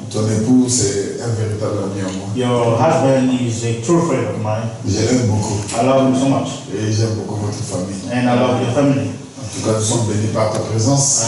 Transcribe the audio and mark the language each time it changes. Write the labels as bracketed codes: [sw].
[fr] Ton épouse est un véritable ami à moi. [en] Your husband is a true friend of mine. [fr] Je l'aime beaucoup. [en] I love him so much. [fr] Et j'aime beaucoup votre famille. [en] And I love your family. [fr] En tout cas, nous sommes bénis par ta présence.